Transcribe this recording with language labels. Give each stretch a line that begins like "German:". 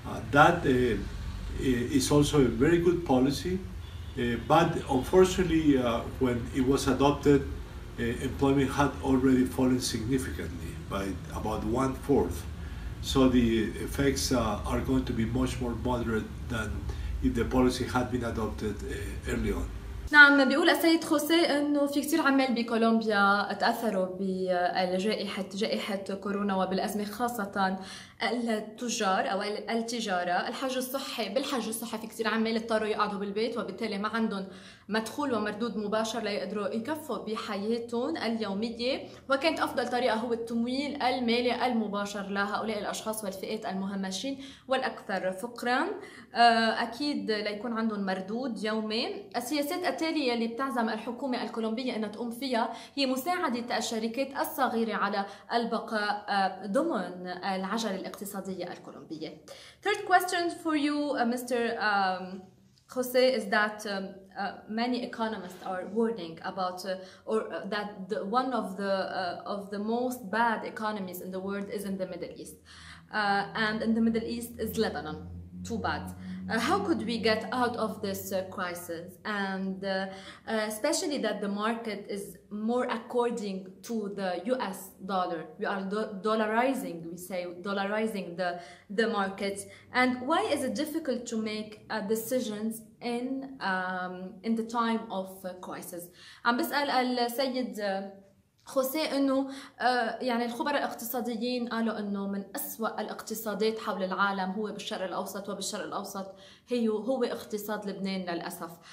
English: That is also a very good policy, but unfortunately, when it was adopted, employment had already fallen significantly by about 1/4. So the effects are going to be much more moderate than if the policy had been adopted early on.
Arabic: نعم بيقول السيد خوسي انه في كثير عمال بكولومبيا تاثروا بجائحة كورونا وبالازمة خاصة التجار او التجارة الحج الصحي بالحج الصحي في كثير عمال اضطروا يقعدوا بالبيت وبالتالي ما عندهم مدخول ومردود مباشر ليقدروا يكفوا بحياتهم اليومية وكانت افضل طريقة هو التمويل المالي المباشر لهؤلاء الاشخاص والفئات المهمشين والاكثر فقرا اكيد ليكون عندهم مردود يومي. السياسات التالية اللي بتعزم الحكومة الكولومبية انها تقوم فيها هي مساعدة الشركات الصغيرة على البقاء ضمن العجلة الاقتصادية الكولومبية.
English: Third question for you, Mr. Jose, is that many economists are warning about that the, one of the most bad economies in the world is in the Middle East. And in the Middle East is Lebanon. Too bad. How could we get out of this crisis? And especially that the market is more according to the US dollar. We are dollarizing, we say, dollarizing the market. And why is it difficult to make decisions in the time of crisis?
Arabic: عم بسأل السيد خوسي انه يعني الخبراء الاقتصاديين قالوا انه من اسوأ الاقتصادات حول العالم هو بالشرق الاوسط وبالشرق الاوسط هو اقتصاد لبنان للاسف.